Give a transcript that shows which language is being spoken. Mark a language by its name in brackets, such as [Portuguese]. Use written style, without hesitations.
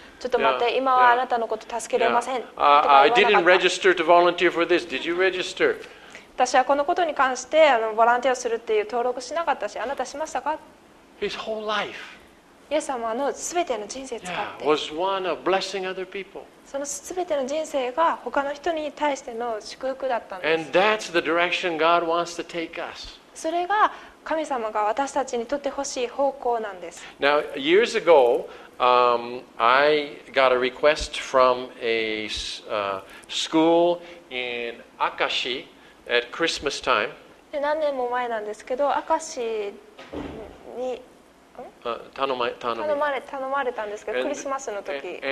[Japanese] ちょっと待って、yeah. 今はあなたのこと助けれません。 [English] Yeah. I didn't register to volunteer for this. Did you register? [Japanese] 私はこのことに関してボランティアをするっていう登録しなかったし、あなたしましたか？ [English] His whole life. [Japanese] イエス様の全ての人生使って、 [English] yeah, was one of blessing other people. [Japanese] その全ての人生が他の人に対しての祝福だったんです。 [English] And that's the direction God wants to take us. [Japanese] それが神様が私たちにとってほしい方向なんです。 [English] Now, years ago, I got a request from a school in Akashi. At Christmas time. [Japanese] 何年も前なんですけど、明石に頼まれたんですけど、クリスマスの時。